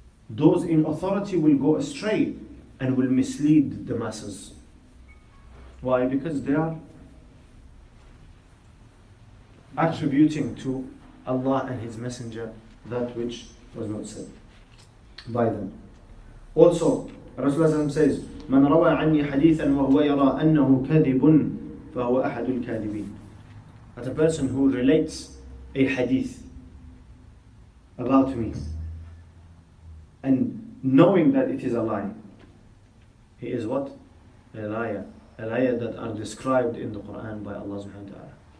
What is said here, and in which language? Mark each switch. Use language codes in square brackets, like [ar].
[en] Those in authority will go astray and will mislead the masses. Why? Because they are attributing to Allah and His Messenger that which was not said by them. Also, Rasulullah says, [ar] مَنْ رَوَى عَنِّي حَدِيثًا وَهُوَ يَرَى أَنَّهُ كَذِبٌ فَهُوَ أَحَدُ الْكَاذِبِينَ. [en] That a person who relates a hadith about me and knowing that it is a lie, he is what? A liar. A liar that are described in the Quran by Allah subhanahu wa ta'ala.